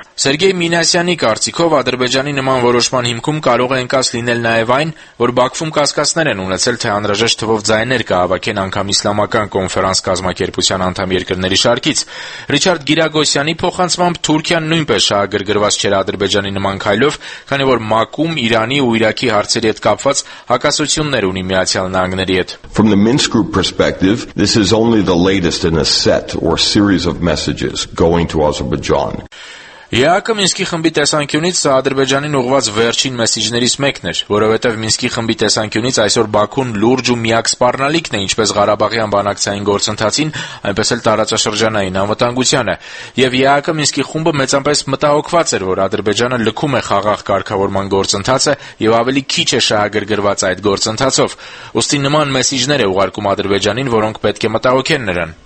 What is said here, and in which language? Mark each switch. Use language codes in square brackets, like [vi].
[hy] Սերգեյ Մինասյանի կարծիքով Ադրբեջանի նման որոշման հիմքում կարող է ընկած լինել նաև այն, որ Բաքվում կասկածներ են ունեցել, թե անհրաժեշտ թվով ձայներ կհավաքեն անգամ իսլամական կոնֆերանս կազմակերպության անդամ երկրների շարքից։ Ռիչարդ Գիրագոսյանի փոխանցմամբ Թուրքիան նույնպես շահագրգռված չէր Ադրբեջանի նման քայլով, քանի որ Մակում Իրանի ու Իրաքի հարցերի հետ կապված հակասություններ ունի Միացյալ Նահանգների հետ։ [en] From the Minsk group perspective, this is only the latest in a set or series of messages going to Azerbaijan. [hy] ԵԱԿ Մինսկի խմբի տեսանկյունից սա Ադրբեջանին ուղված վերջին մեսիջներից մեկն էր, որովհետև Մինսկի խմբի տեսանկյունից այսօր Բաքուն լուրջ ու միակ սպառնալիքն է, ինչպես Ղարաբաղյան բանակցային գործընթացին, այնպես էլ տարածաշրջանային անվտանգությանը, եւ ԵԱԿ Մինսկի խումբը մեծապես մտահոգված էր, որ Ադրբեջանը լքում է խաղաղ կարգավորման գործընթացը եւ ավելի քիչ է շահագրգռված այդ գործընթացով, ուստի նման մեսիջներ է ուղարկում Ադրբեջանին, որոնք պետք է մտահոգեն նրան։